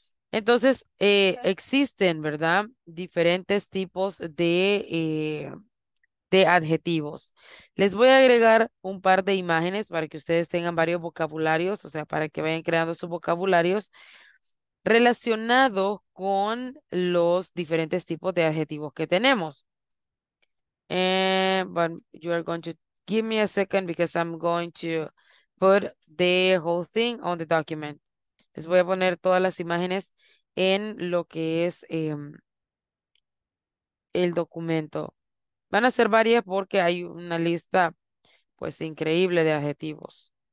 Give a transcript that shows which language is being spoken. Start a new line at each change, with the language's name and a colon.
Spanish: Entonces, existen, ¿verdad? Diferentes tipos de adjetivos. Les voy a agregar un par de imágenes para que ustedes tengan varios vocabularios, o sea, para que vayan creando sus vocabularios relacionados con los diferentes tipos de adjetivos que tenemos.
English: But you are going to give me a second because I'm going to put the whole thing on the document.
Spanish: Les voy a poner todas las imágenes en lo que es el documento. Van a ser varias porque hay una lista, pues, increíble de adjetivos.